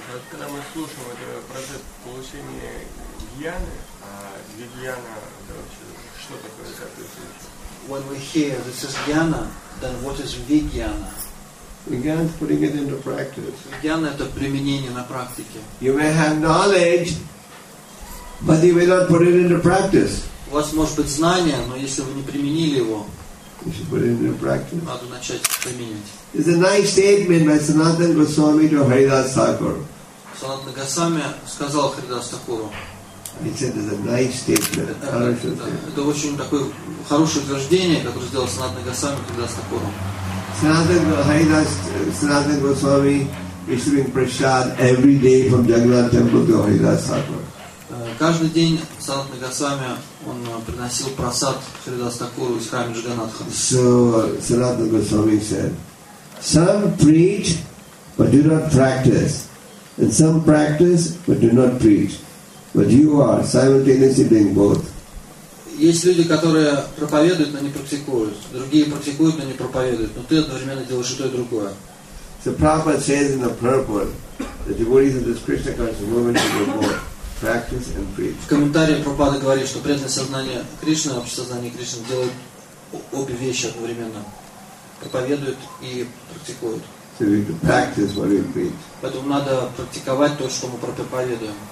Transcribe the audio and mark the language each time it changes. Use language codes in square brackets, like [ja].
[ru] Когда мы слушаем этот процесс получения гьяны, а гьяна, что такое соответствующее? [en] When we hear this is gyana, then what is vigyana? Gyana is putting it into practice. [ru] Gyana — это применение на практике. [en] You may have knowledge, but you may not put it into practice. [ru] У вас может быть знание, но если вы не применили его, [en] You should put it into practice. [ru] Надо начать применять. [en] It's a nice statement by Sanatana Goswami to Haridas Thakur. [ru] Sanatana Goswami сказал Haridas Thakur. [en] He said it's a nice statement. [ru] Это очень такое хорошее утверждение, которое сделал Sanatana Goswami Haridas Thakur. [en] Sanatana Goswami receiving prasad every day from Jagannath Temple to Haridas Thakur. [ru] Каждый день Санатана Госвами он приносил просад Харидас Такуру из храма Джаганатха. [en] So, Санатана Госвами said, some preach, but do not practice. And some practice, but do not preach. But you are simultaneously doing both. [ru] Есть люди, которые проповедуют, но не практикуют. Другие практикуют, но не проповедуют. Но ты одновременно делаешь и то, и другое. [en] So, Prabhupada says in the purport, the devotees of this Krishna conscious movement should do both. Practice and preach. [ru] В комментарии Прабхупада говорит, что преданное сознание Кришны, общее сознание Кришны делают обе вещи одновременно. Проповедуют и практикуют. [en] So we can practice what we preach. [ru] Поэтому надо практиковать то, что мы проповедуем.